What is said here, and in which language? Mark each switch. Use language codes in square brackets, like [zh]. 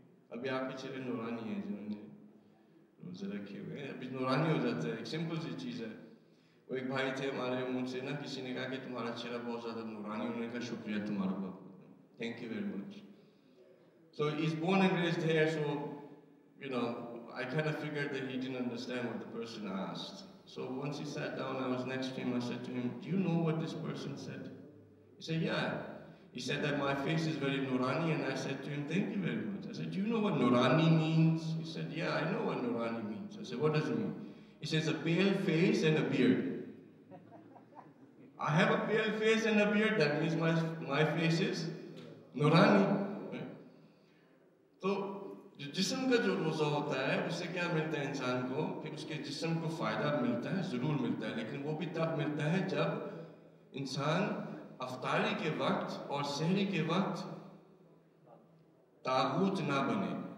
[ur] ابھی آپ کے چہرے نورانی ہیں جنہوں نے روزے رکھے ہوئے ہیں، ابھی نورانی ہو جاتا ہے. ایک سمپل سی چیز ہے. وہ ایک بھائی تھے ہمارے، ان سے نا کسی نے کہا کہ تمہارا چہرہ بہت زیادہ نورانی ہونے کا شکریہ تمہارا بہت، [en] Thank you very much. So he's born and raised here, so you know I kind of figured that he didn't understand what the person asked. So once he sat down, I was next to him, I said to him, do you know what this person said? He said, yeah. He said that my face is very Nurani, and I said to him, thank you very much. I said, do you know what Nurani means? He said, yeah, I know what Nurani means. I said, what does it mean? He says, a pale face and a beard. I have a pale face and a beard, that means my face is Nurani. [ur] So, جو جسم کا جو روزہ ہوتا ہے اس سے کیا ملتا ہے انسان کو؟ کہ اس کے جسم کو فائدہ ملتا ہے، ضرور ملتا ہے، لیکن وہ بھی تب ملتا ہے جب انسان افطاری کے وقت اور سحری کے وقت طاغوت نہ بنے.